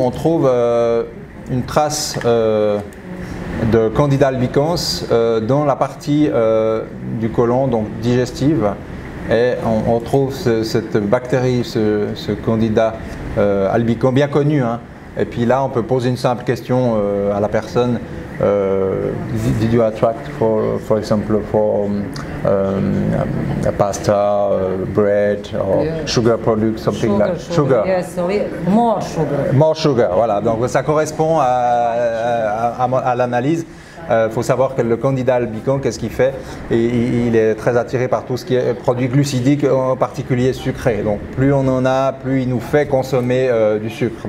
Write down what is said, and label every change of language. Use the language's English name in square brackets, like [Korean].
[French] On trouve une trace de Candida albicans dans la partie du côlon, donc digestive. Et on trouve cette bactérie, ce Candida albicans bien connu. Hein. Et puis là, on peut poser une simple question à la personne. [English] Did you attract, for example, for a pasta, bread, or sugar products, something sugar, like that? Sugar. Yes, more sugar. More sugar, [French] voilà. Donc ça correspond à l'analyse. Faut savoir que le candidat albicans, qu'est-ce qu'il fait? Il est très attiré par tout ce qui est produit glucidique, en particulier sucré. Donc plus on en a, plus il nous fait consommer du sucre.